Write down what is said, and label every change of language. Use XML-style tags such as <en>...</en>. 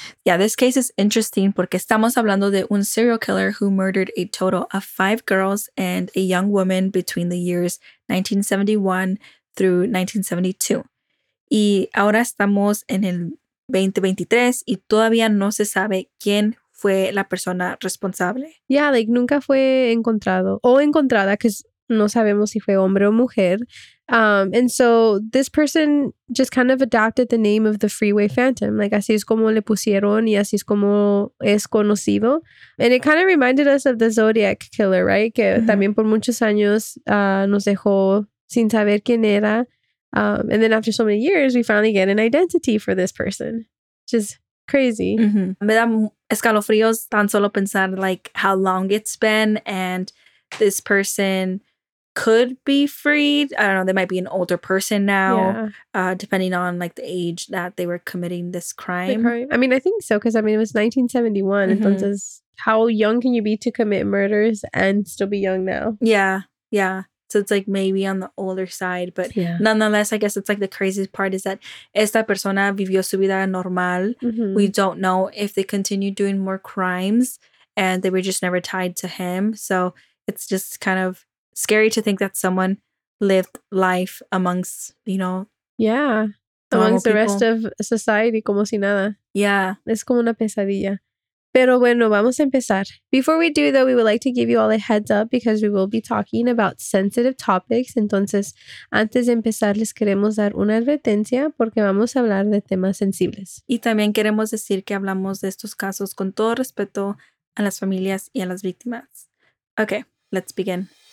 <en>Yeah, this case is interesting</en> <es>porque estamos hablando de un</es> <en>serial killer who murdered a total of 5 girls and a young woman between the years 1971 through 1972.</en> <es>Y ahora estamos en el 2023 y todavía no se sabe quién fue la persona responsable. Yeah, like nunca fue encontrado o encontrada, que no sabemos si fue hombre o mujer.</es> <en>And so this person just kind of adopted the name of the Freeway Phantom.</en> <es>Like así es como le pusieron y así es como es conocido.</es> <en>And it kind of reminded us of the Zodiac Killer, right?</en> <es>Que mm-hmm también por muchos años nos dejó sin saber quién era.</es> <en>And then after so many years, we finally get an identity for this person, which is crazy. Mm-hmm.</en> <es>Me da escalofríos tan solo pensar</es> <en>like how long it's been and this person could be freed. I don't know. They might be an older person now, yeah, depending on like the age that they were committing this crime. I mean, I think so. Because I mean, it was 1971. Mm-hmm. Entonces, how young can you be to commit murders and still be young now? Yeah. Yeah. So it's like maybe on the older side, but yeah, nonetheless, I guess it's like the craziest part is that</en> <es>esta persona vivió su vida normal. Mm-hmm.</es> <en>We don't know if they continued doing more crimes and they were just never tied to him. So it's just kind of scary to think that someone lived life amongst, you know. Yeah. Amongst the rest of society,</en> <es>como si nada.</es> <en>Yeah.</en> <es>Es como una pesadilla. Pero bueno, vamos a empezar.</es> <en>Before we do, though, we would like to give you all a heads up because we will be talking about sensitive topics.</en> <es>Entonces, antes de empezar, les queremos dar una advertencia porque vamos a hablar de temas sensibles. Y también queremos decir que hablamos de estos casos con todo respeto a las familias y a las víctimas.</es> <en>Okay, let's begin.</en>